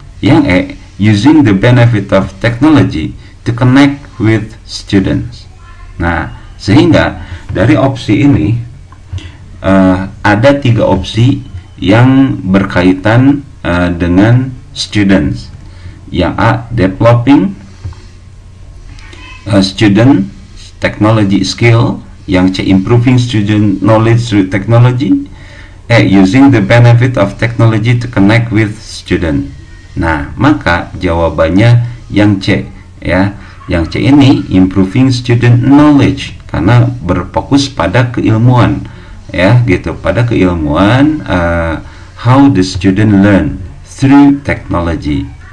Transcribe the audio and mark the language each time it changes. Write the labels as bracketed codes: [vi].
[id] Yang E, [en] using the benefit of technology to connect with students. [id] Nah, sehingga dari opsi ini ada tiga opsi yang berkaitan dengan students. Yang A, [en] developing student technology skill. [id] Yang C, [en] improving student knowledge through technology. E, using the benefit of technology to connect with student. [id] Nah, maka jawabannya yang C, ya. Yang C ini, [en] improving student knowledge, [id] karena berfokus pada keilmuan, ya, gitu, pada keilmuan [en] how the student learn through technology.